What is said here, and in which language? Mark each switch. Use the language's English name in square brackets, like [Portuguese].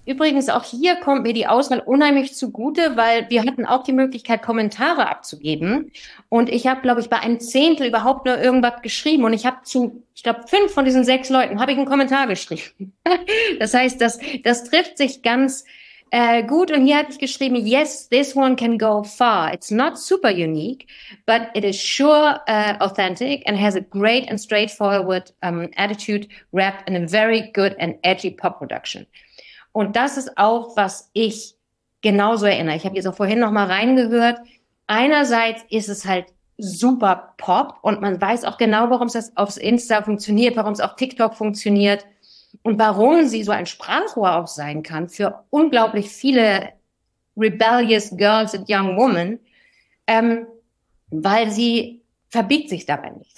[German] Übrigens, auch hier kommt mir die Auswahl unheimlich zugute, weil wir hatten auch die Möglichkeit, Kommentare abzugeben. Und ich habe, glaube ich, bei einem Zehntel überhaupt nur irgendwas geschrieben. Und ich habe zu, ich glaube, 5 von diesen 6 Leuten habe ich einen Kommentar geschrieben. Das heißt, das trifft sich ganz gut. Und hier hatte ich geschrieben, [English] yes, this one can go far. It's not super unique, but it is sure authentic and has a great and straightforward attitude, rap and a very good and edgy pop production. [German] Und das ist auch, was ich genauso erinnere. Ich habe jetzt auch vorhin nochmal reingehört. Einerseits ist es halt super Pop und man weiß auch genau, warum es auf Insta funktioniert, warum es auf TikTok funktioniert. Und warum sie so ein Sprachrohr auch sein kann für unglaublich viele [English] rebellious girls and young women, [German] weil sie verbiegt sich dabei nicht.